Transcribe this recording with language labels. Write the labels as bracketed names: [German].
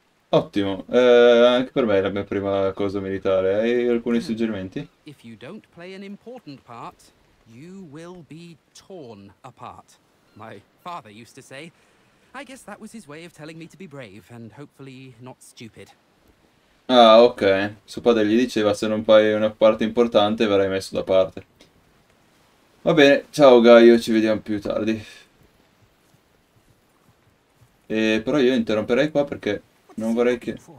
[Italian] Ottimo, anche per me è la mia prima cosa militare. Hai alcuni suggerimenti? [English] If you don't play an important part, you will be torn apart. My father used to say, I guess that was his way of telling me to be brave and hopefully not stupid. [Italian] Ah, ok. Suo padre gli diceva, se non fai una parte importante, verrai messo da parte. Va bene, ciao Gaio, ci vediamo più tardi. E però io interromperei qua perché non vorrei che...